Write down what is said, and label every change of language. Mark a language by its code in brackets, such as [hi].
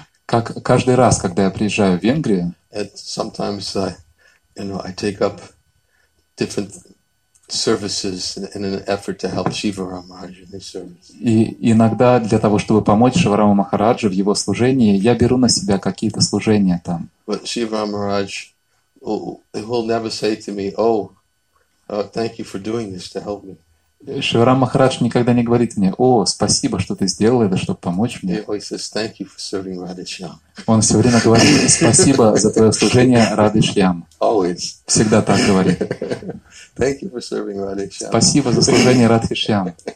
[ru] Как каждый раз, когда я приезжаю в Венгрию. [en] And sometimes I take up different services in an effort to help Shivarama Maharaj in his service. [ru] И иногда для того, чтобы помочь Шиварама Махараджу в его служении, я беру на себя какие-то служения там. [en] But Shivarama Maharaj will never say to me, thank you for doing this to help me. [ru] Шиварама Махарадж никогда не говорит мне, о, спасибо, что ты сделал это, чтобы помочь мне. [en] He says, thank you for serving Radhishyam. [ru] Он все время говорит, спасибо за твое служение, Радхишьям. [en] Always. [ru] Всегда так говорит. [en] Thank you for serving Radhishyam. [ru] Спасибо за служение Радхишьям.